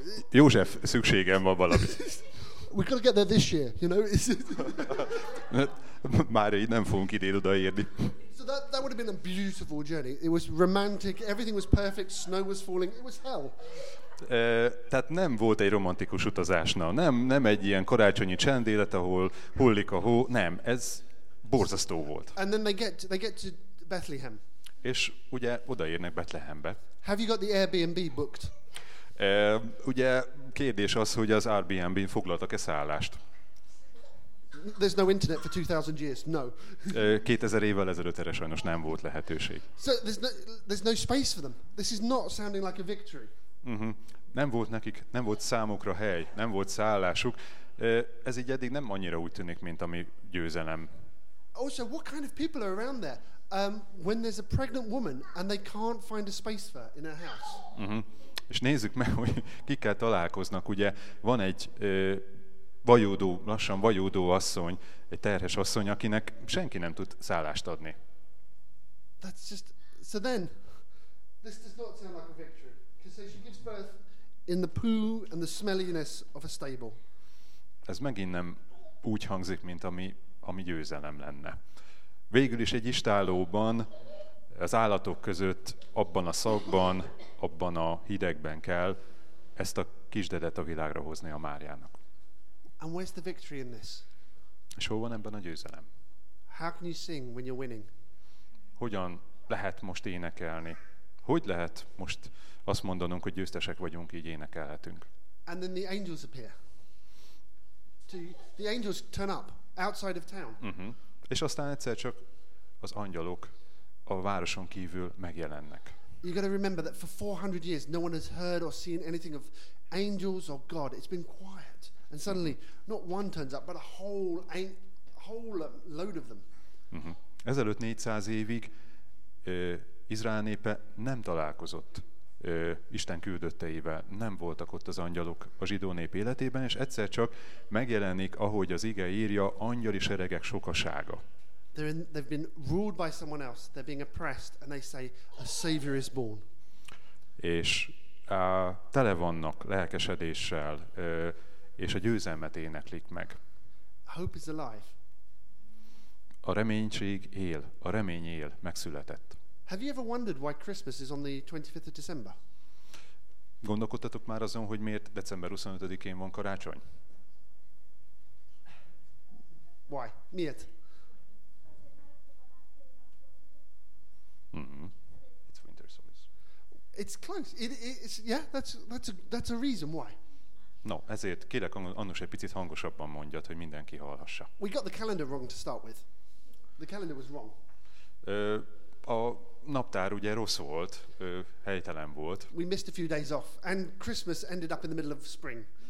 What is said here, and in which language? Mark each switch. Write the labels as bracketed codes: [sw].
[hu] József, szükségem van valamit. [en] We could get there this year, you know. [hu] Már így nem fogunk idén odaérni. [en] So that would have been a beautiful journey. It was romantic, everything was perfect, snow was falling, it was hell. [hu] Tehát nem volt egy romantikus utazásna, nem egy ilyen karácsonyi csendélet, ahol hullik a hó, nem, ez borzasztó volt. [en] And then they get to Bethlehem. [hu] És ugye odaérnek Bethlehembe. [en] Have you got the Airbnb booked? [hu] Ugye kérdés az, hogy az Airbnb-n foglaltak-e szállást? [en] There's no internet for 2000 years. No. [hu] 2000 évvel ezelőtt erre sajnos nem volt lehetőség. [en] So there's no space for them. This is not sounding like a victory. Uh-huh. [hu] Nem volt nekik, nem volt számukra hely, nem volt szállásuk. Ez így eddig nem annyira úgy tűnik, mint ami győzelem. [en] Also, what kind of people are around there? When there's a pregnant woman and they can't find a space for her in her house. Uh-huh. [hu] És nézzük meg, hogy kikkel találkoznak. Ugye van egy vajódó, lassan vajódó asszony, egy terhes asszony, akinek senki nem tud szállást adni. [en] That's just so then this does not sound like a victory, because she gives birth in the poo and the smelliness of a stable. [hu] Ez megint nem úgy hangzik, mint ami győzelem lenne. Végül is egy istállóban, az állatok között, abban a szagban, abban a hidegben kell ezt a kisdedet a világra hozni a Máriának. [en] And where's the victory in this? [hu] És hol van ebben a győzelem? [en] How can you sing when you're winning? [hu] Hogyan lehet most énekelni? Hogy lehet most azt mondanunk, hogy győztesek vagyunk, így énekelhetünk? [en] And then the angels appear. The angels turn up outside of town. Uh-huh. [hu] És aztán egyszer csak az angyalok a városon kívül megjelennek. [en] You got to remember that for 400 years no one has heard or seen anything of angels or God. It's been quiet. And suddenly, not one turns up, but a whole load of them. Uh-huh. [hu] Ezelőtt 400 évig Izrael népe nem találkozott Isten küldötteivel, nem voltak ott az angyalok a zsidó nép életében, és egyszer csak megjelenik, ahogy az ige írja, angyali seregek sokasága. [en] They've been ruled by someone else. They're being oppressed, and they say, "A savior is born." [hu] És tele vannak lelkesedéssel, és a győzelmet éneklik meg. [en] Hope is alive. [hu] A reménység él, a remény él, megszületett. [en] Have you ever wondered why Christmas is on the 25th of December? [hu] Gondolkodtatok már azon, hogy miért december 25-én van karácsony? [en] Why? [hu] Miért? [en] Mm-hmm. It's winter solstice. It's close. It's yeah, that's a reason why. [hu] No, ezért kérek annos egy picit hangosabban mondjat, hogy mindenki hallhassa. [en] We got the calendar wrong to start with. The calendar was wrong. [hu] A naptár ugye rossz volt, helytelen volt. [en] We missed a few days off and Christmas ended up in the middle of spring.